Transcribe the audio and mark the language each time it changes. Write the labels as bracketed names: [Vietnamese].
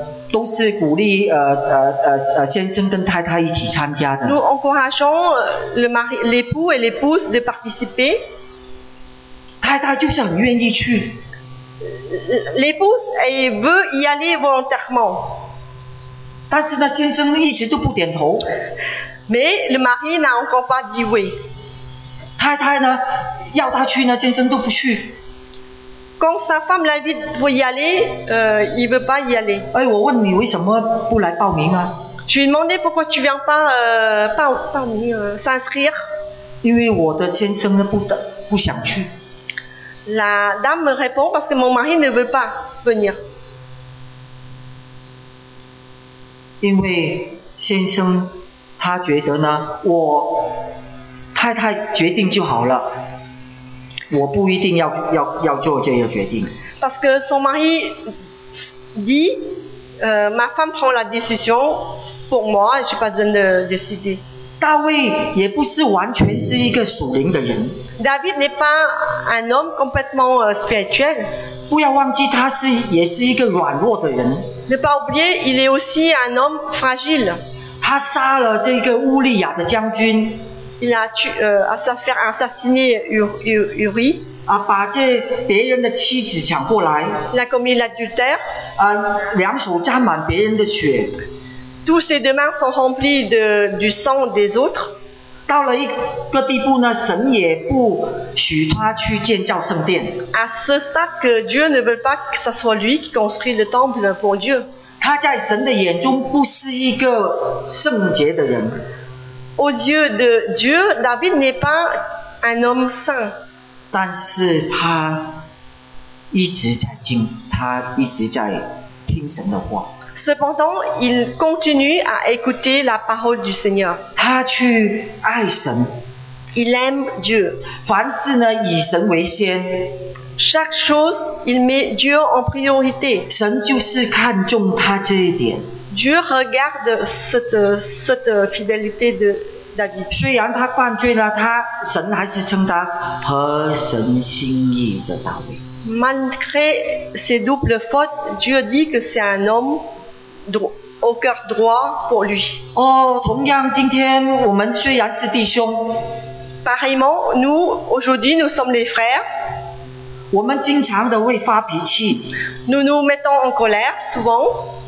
[Chinese] 都是鼓励先生跟太太一起参加的。 [French] Nous encourageons le mari, l'époux et l'épouse de participer. [Chinese] 太太就是很愿意去。 [French] L'épouse elle veut y aller volontairement. [Chinese] 但是呢，先生一直都不点头。 [French] Mais le mari n'a encore pas dit oui. [Chinese] 太太呢，要他去呢，先生都不去。 [French] Quand sa femme l'invite pour y aller, il veut pas y aller. [Chinese] 哎，我问你为什么不来报名啊 [French] ？Je lui ai demandé pourquoi tu viens pas s'inscrire. [Chinese] 因为我的先生呢不想去。 [French] La dame me répond parce que mon mari ne veut pas venir. [Chinese] 因为先生他觉得呢，我太太决定就好了，我不一定要做这个决定。 [French] Parce que son mari dit, ma femme prend la décision pour moi, je n'ai pas besoin de décider. [Chinese] 大卫也不是完全是一个属灵的人。 [French] David n'est pas un homme complètement spirituel. [Chinese] 不要忘记他是也是一个软弱的人。 [French] Ne pas oublier, il est aussi un homme fragile. [Chinese] 他杀了这个乌利亚的将军。 [French] Il a assassiné Uri. [Chinese] 啊，把这别人的妻子抢过来。 [French] Il a commis l'adultère. [Chinese] 啊，两手沾满别人的血。 [French] Tous ses deux mains sont remplies du sang des autres. [Chinese] 到了一个地步呢，神也不许他去建造圣殿。 [French] À ce stade que Dieu ne veut pas que ce soit lui qui construit le temple pour Dieu. [Chinese] 他在神的眼中不是一个圣洁的人。 [French] Aux yeux de Dieu, David n'est pas un homme saint. [Chinese] 但是他一直在听，他一直在听神的话。 [French] Cependant, il continue à écouter la parole du Seigneur. [Chinese] 他去爱神。 [French] Il aime Dieu. [Chinese] 凡事呢，以神为先。 [French] Chaque chose, il met Dieu en priorité. [Chinese] 神就是看重他这一点。 [French] Dieu regarde cette fidélité de David. [Chinese] 虽然他犯罪了，他神还是称他合神心意的大卫。 [French] Malgré ses doubles fautes, Dieu dit que c'est un homme au cœur droit pour lui. [Chinese] 哦，同样，今天我们虽然是弟兄。 [French] Pareillement, nous aujourd'hui nous sommes les frères. [Chinese] 我们经常的会发脾气。 [French] Nous nous mettons en colère souvent.